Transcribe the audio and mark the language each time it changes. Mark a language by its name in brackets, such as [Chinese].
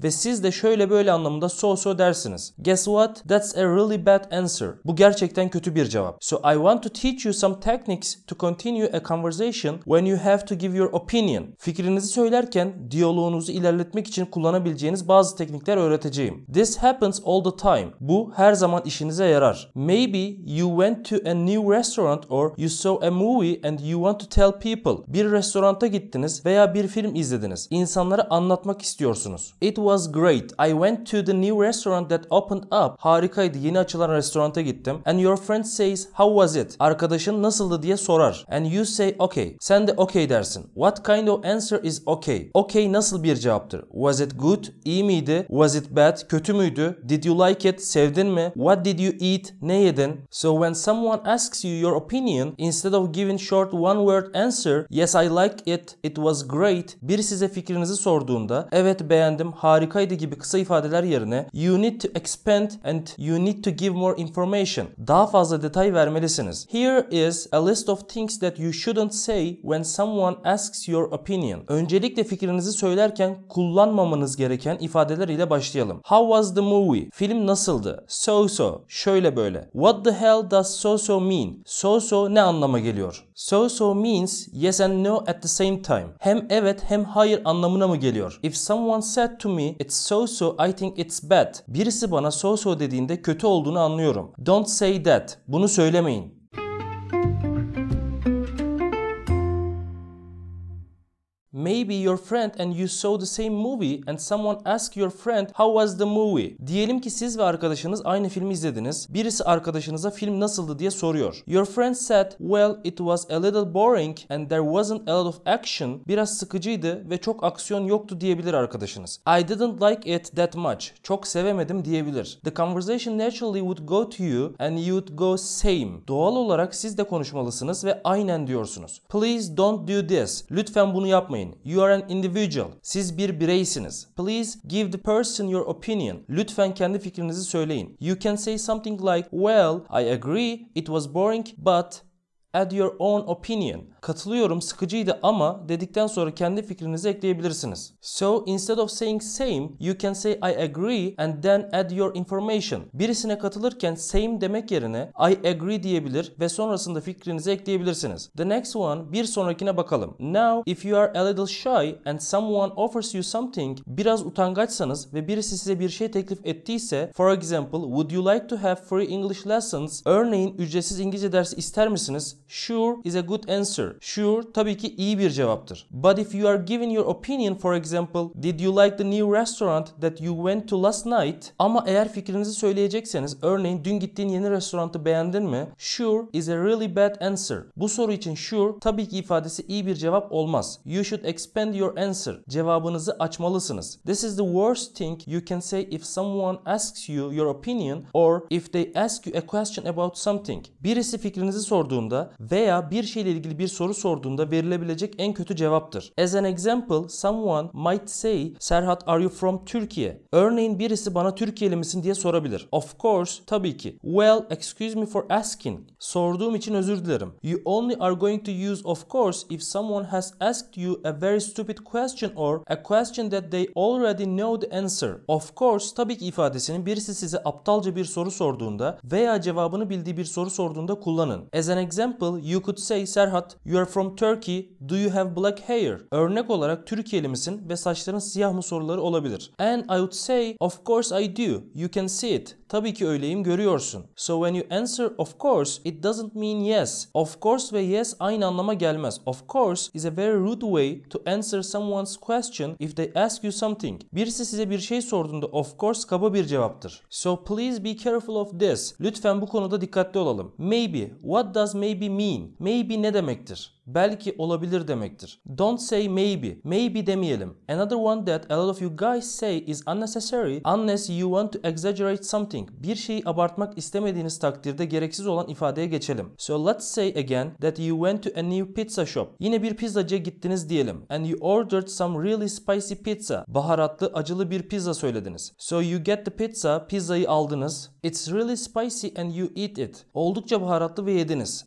[Turkish] Ve siz de şöyle böyle anlamında so-so dersiniz. [English] Guess what? That's a really bad answer. [Turkish] Bu gerçekten kötü bir cevap. [English] So I want to teach you some techniques to continue a conversation when you have to give your opinion. [Turkish] Fikrinizi söylerken diyaloğunuzu ilerletmek için kullanabileceğiniz bazı teknikler öğreteceğim. [English] This happens all the time. [Turkish] Bu her zaman işinize yarar. [English] Maybe you went to a new restaurant or you saw a movie and you want to tell people. [Turkish] Bir restoranta gittiniz veya bir film izlediniz. İnsanlara anlatmak istiyorsunuz. [English] It was great. I went to the new restaurant that opened up. [Turkish] Harikaydı. Yeni açılan restoranta gittim. [English] And your friend says, how was it? [Turkish] Arkadaşın nasıldı diye sorar. [English] And you say, okay. [Turkish] Sen de okay dersin. [English] What kind of answer is okay? [Turkish] Okay nasıl bir cevaptır? [English] Was it good? [Turkish] İyi miydi? [English] Was it bad? [Turkish] Kötü müydü? [English] Did you like it? [Turkish] Sevdin mi? [English] What did you eat? [Turkish] Ne yedin? [English] So when someone asks you your opinion, instead of giving short one word answer, yes I like it, it was great, [Turkish] biri size fikrinizi sorduğunda, evet beğendim, harikaydı gibi kısa ifadeler yerine [English] you need to expand and you need to give more information. [Turkish] Daha fazla detay vermelisiniz. [English] Here is a list of things that you shouldn't say when someone asks your opinion. [Turkish] Öncelikle fikrinizi söylerken kullanmamanız gereken ifadeler ile başlayalım. [English] How was the movie? [Turkish] Film nasıldı? [English] So so. [Turkish] Şöyle böyle. [English] What the hell does so so mean? [Turkish] So so ne anlama geliyor? [English] So so means yes and no at the same time. [Turkish] Hem evet hem hayır anlamına mı geliyor? [English] If someone said to me it's so so, I think it's bad. [Turkish] Birisi bana so so dediğinde kötü olduğunu anlıyorum. [English] Don't say that. [Turkish] Bunu söylemeyin. [English] Maybe your friend and you saw the same movie and someone asked your friend how was the movie? [Turkish] Diyelim ki siz ve arkadaşınız aynı filmi izlediniz. Birisi arkadaşınıza film nasıldı diye soruyor. [English] Your friend said, well, it was a little boring and there wasn't a lot of action. [Turkish] Biraz sıkıcıydı ve çok aksiyon yoktu diyebilir arkadaşınız. [English] I didn't like it that much. [Turkish] Çok sevemedim diyebilir. [English] The conversation naturally would go to you and you'd go same. [Turkish] Doğal olarak siz de konuşmalısınız ve aynen diyorsunuz. [English] Please don't do this. [Turkish] Lütfen bunu yapmayın. [English] You are an individual. [Turkish] Siz bir bireysiniz. [English] Please give the person your opinion. [Turkish] Lütfen kendi fikrinizi söyleyin. [English] You can say something like, well, I agree, it was boring, but add your own opinion. [Turkish] Katılıyorum, sıkıcıydı ama dedikten sonra kendi fikrinizi ekleyebilirsiniz. [English] So instead of saying same, you can say I agree and then add your information. [Turkish] Birisine katılırken same demek yerine I agree diyebilir ve sonrasında fikrinizi ekleyebilirsiniz. [English] The next one, [Turkish] bir sonrakine bakalım. [English] Now if you are a little shy and someone offers you something, [Turkish] biraz utangaçsanız ve birisi size bir şey teklif ettiyse, [English] for example, would you like to have free English lessons? [Turkish] Örneğin ücretsiz İngilizce dersi ister misiniz? [English] Sure is a good answer. [Turkish] Sure, tabii ki iyi bir cevaptır. [English] But if you are giving your opinion, for example, did you like the new restaurant that you went to last night? [Turkish] Ama eğer fikrinizi söyleyecekseniz, örneğin dün gittiğin yeni restorantı beğendin mi? [English] Sure is a really bad answer. [Turkish] Bu soru için sure, tabii ki ifadesi iyi bir cevap olmaz. [English] You should expand your answer. [Turkish] Cevabınızı açmalısınız. [English] This is the worst thing you can say if someone asks you your opinion or if they ask you a question about something. [Turkish] Birisi fikrinizi sorduğunda veya bir şeyle ilgili bir soru sorduğunda verilebilecek en kötü cevaptır. [English] As an example, someone might say, Serhat, are you from Türkiye? [Turkish] Örneğin birisi bana Türkiye'li misin diye sorabilir. [English] Of course, [Turkish] tabii ki. [English] Well, excuse me for asking. Sorduğum için özür dilerim. You only are going to use of course if someone has asked you a very stupid question or a question that they already know the answer. [Turkish] Of course, tabii ki ifadesini birisi size aptalca bir soru sorduğunda veya cevabını bildiği bir soru sorduğunda kullanın. [English] As an example, you could say, Serhat, You are from Turkey. Do you have black hair? [Turkish] Örnek olarak Türkiye'li misin ve saçların siyah mı soruları olabilir. [English] And I would say, of course I do. You can see it. [Turkish] Tabii ki öyleyim, görüyorsun. [English] So when you answer of course, it doesn't mean yes. [Turkish] Of course ve yes aynı anlama gelmez. [English] Of course is a very rude way to answer someone's question if they ask you something. [Turkish] Birisi size bir şey sorduğunda of course kaba bir cevaptır. [English] So please be careful of this. [Turkish] Lütfen bu konuda dikkatli olalım. [English] Maybe. What does maybe mean? [Turkish] Maybe ne demektir? Belki olabilir demektir. [English] Don't say maybe. [Turkish] Maybe demeyelim. [English] Another one that a lot of you guys say is unnecessary unless you want to exaggerate something. [Turkish] Bir şeyi abartmak istemediğiniz takdirde gereksiz olan ifadeye geçelim. [English] So let's say again that you went to a new pizza shop. [Turkish] Yine bir pizzacıya gittiniz diyelim. [English] And you ordered some really spicy pizza. [Turkish] Baharatlı, acılı bir pizza söylediniz. [English] So you get the pizza. [Turkish] Pizzayı aldınız. [English] It's really spicy and you eat it. [Turkish] Oldukça baharatlı ve yediniz.